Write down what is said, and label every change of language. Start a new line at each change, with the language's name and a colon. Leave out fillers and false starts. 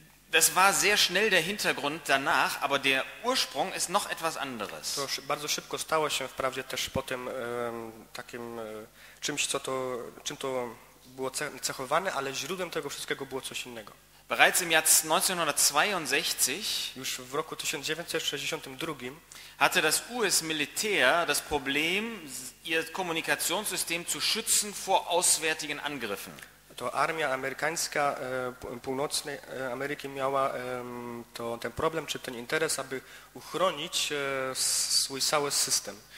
German: Das war sehr schnell der Hintergrund danach, aber der Ursprung ist noch etwas anderes.
Polish: To bardzo szybko stało się wprawdzie też potem takim czymś, co to, czym to było cechowane, ale źródłem tego wszystkiego było coś innego.
German: Bereits im Jahr 1962,
Polish: już w roku 1962,
German: hatte das US-Militär das Problem, ihr Kommunikationssystem zu schützen vor auswärtigen Angriffen.
Polish: To armia amerykańska północnej Ameryki miała ten problem czy ten interes, aby uchronić swój cały system.